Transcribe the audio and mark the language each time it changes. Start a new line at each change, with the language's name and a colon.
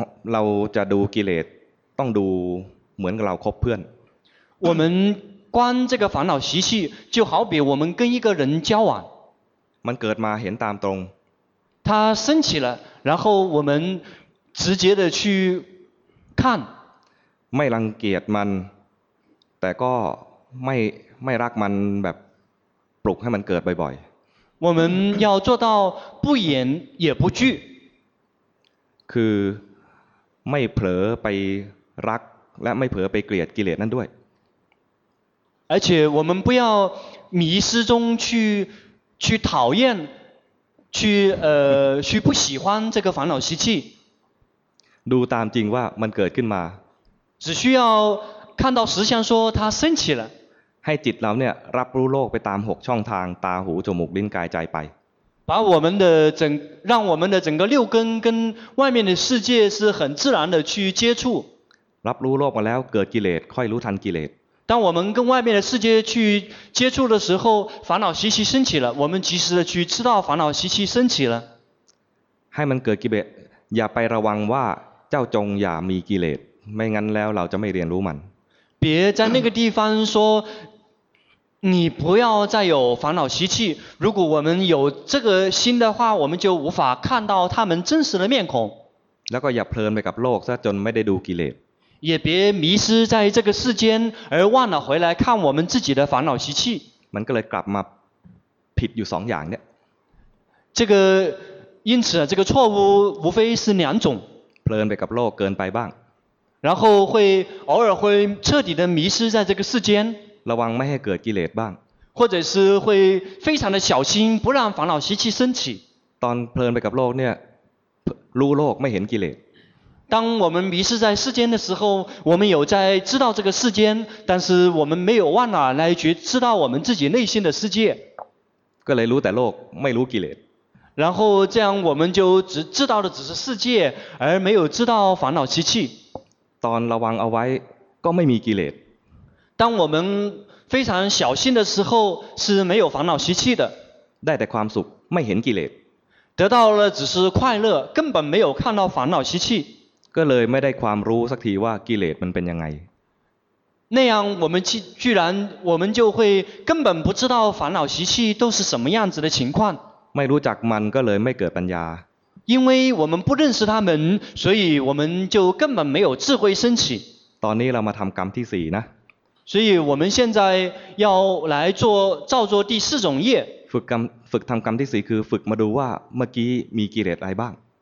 Thai: เราจะดูกิเลสต้องดูเหมือนกับเราคบเพื่อน
Chinese: 我们观这个烦恼习气，就好比我们跟一个人交往。
Thai: มันเกิดมาเห็นตามตรง。
Chinese: 它升起了，然后我们直接的去看。
Thai: ไม่รังเกียจมันแต่ก็ไม่รักมันแบบปลุกให้มันเกิดบ่อย
Chinese: ๆ我们要做到不掩也不惧
Thai: คือไม่เผลอไปรักและไม่เผลอไปเกลียดกิเลสนั่นด้วย
Chinese: 而且我们不要迷失中去讨厌去不喜欢这个烦恼习气
Thai: ดูตามจริงว่ามันเกิดขึ้นมา
Chinese: 只需要看到实相说它升起了
Thai: ให้จิตเราเนี่ยรับรู้โลกไปตามหกช่องทางตาหูจมูกลิ้นกายใจไป
Chinese: 把我们的整让我们的整个六根跟外面的世界是很自然的去接触
Thai: รับรู้โลกมาแล้วเกิดกิเลสค่อยรู้ทันกิเลส
Chinese: 当我们跟外面的世界去接触的时候烦恼习气升起了我们及时的去知道烦恼习气升起了
Thai: ให้มันเกิดกิเลสอย่าไประวังว่าเจ้าจงอย่ามีกิเลสไม่งั้นแล้วเราจะไม่เรียนรู้มัน
Chinese: 别在那个地方说你不要再有烦恼习气如果我们有这个心的话我们就无法看到他们真实的面孔
Thai: แล้วก็อย่าเพลินไปกับโลกซะจนไม่ได้ดูกิเลส
Chinese: 也别迷失在这个世间而忘了回来看我们自己的烦恼习气
Thai: มันก็เลยกลับมาผิดอยู่สองอย่างเนี่ย
Chinese: 这个因此这个错误无非是两种
Thai: เพลินไปกับโลกเกินไปบ้าง
Chinese: 然后会偶尔会彻底的迷失在这个世间
Thai: ระวังไม่ให้เกิดกิเลสบ้าง
Chinese: 或者是会非常的小心不让烦恼习气升起
Thai: ตอนเพลินไปกับโลกเนี่ยรู้โลกไม่เห็นกิเลส
Chinese: 当我们迷失在世间的时候我们有在知道这个世间但是我们没有忘了来觉知道我们自己内心的世界
Thai: ก็เลยรู้แต่โลกไม่รู้กิเลส
Chinese: 然后这样我们就只知道的只是世界而没有知道烦恼习气
Thai: ตอนระวังเอาไว้ก็ไม่มีกิเลส
Chinese: 当我们非常小心的时候是没有烦恼习气的
Thai: ได้แต่ความสุขไม่เห็นกิเลส
Chinese: 得到了只是快乐根本没有看到烦恼习气
Thai: ก็เลยไม่ได้ความรู้สักทีว่ากิเลสมันเป็นยังไง
Chinese: 那样我们就会根本不知道烦恼习气都是什么样子的情况
Thai: ไม่รู้จักมันก็เลยไม่เกิดปัญญา
Chinese: 因为我们不认识他们所以我们就根本没有智慧升起
Thai: ตอนนี้เรามาทำกรรมที่สี่นะ
Chinese: 所以我们现在要来做造作第四种业
Thai: ฝึกทำกรรมที่สี่คือฝึกมาดูว่าเมื่อกี้มีกิเลสอะไรบ้าง